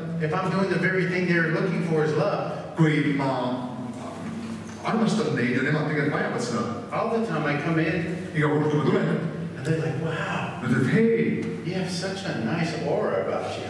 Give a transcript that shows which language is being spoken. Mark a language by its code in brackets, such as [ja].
[en] If I'm doing the very thing they're looking for is love. [et] Kui ma armastan neid ja nemad tegelikult vajavad seda. [en] All the time I come in. [et] Iga kord, kui ma tulen. [en] And they're like, wow. [et] Nad ütlevad, hey. [en] You have such a nice aura about you.